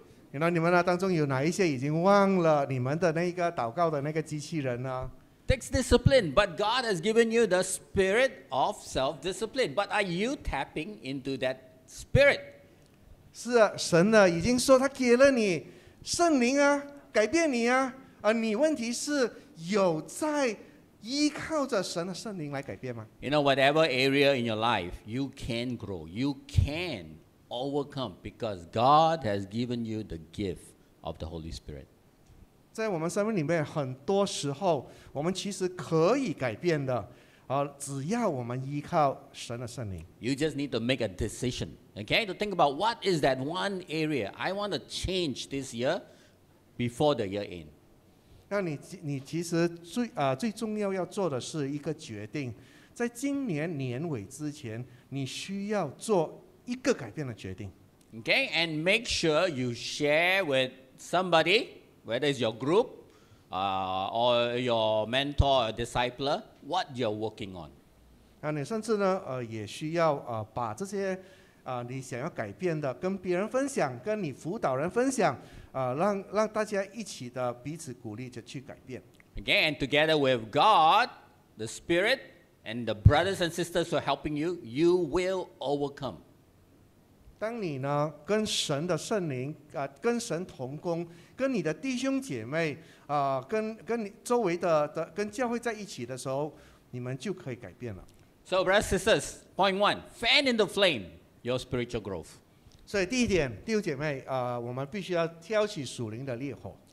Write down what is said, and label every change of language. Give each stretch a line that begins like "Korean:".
Chinese: You know, 你们呢当中有哪一些已经忘了你们的那个祷告的那个机器人呢？
English: Takes discipline, but God has given you the spirit of self-discipline. But are you tapping into that spirit?
Chinese: 是啊，神呢已经说他给了你圣灵啊，改变你啊，你问题是有在依靠着神的圣灵来改变吗？
English: You know, whatever area in your life, you can grow, you can overcome because God has given you the gift of the Holy Spirit.
Chinese: 在我们生命里面，很多时候我们其实可以改变的，只要我们依靠神的圣灵。
English: You just need to make a decision, okay? To think about what is that one area I want to change this year before the year end.
Chinese: 那 你其实 最重要要做的是一个决定，在今年年尾之前，你需要做一个改变的决定。
English: Okay, and make sure you share with somebody, whether it's your group, or your mentor or discipler, what you're working on.
Chinese: 那你甚至呢，也需要把这些你想要改变的跟别人分享，跟你辅导人分享。让大家一起的彼此鼓励着去改变。
English: Again, and together with God, the Spirit, and the brothers and sisters who are helping you, you will overcome.
Chinese: 当你呢跟神的圣灵跟神同工，跟你的弟兄姐妹跟你周围的跟教会在一起的时候，你们就可以改变了。
English: So, brothers and sisters, point one, fan in the flame your spiritual growth.
Chinese: 所以第一点，弟兄姐妹，我们必须要挑起属灵的烈火。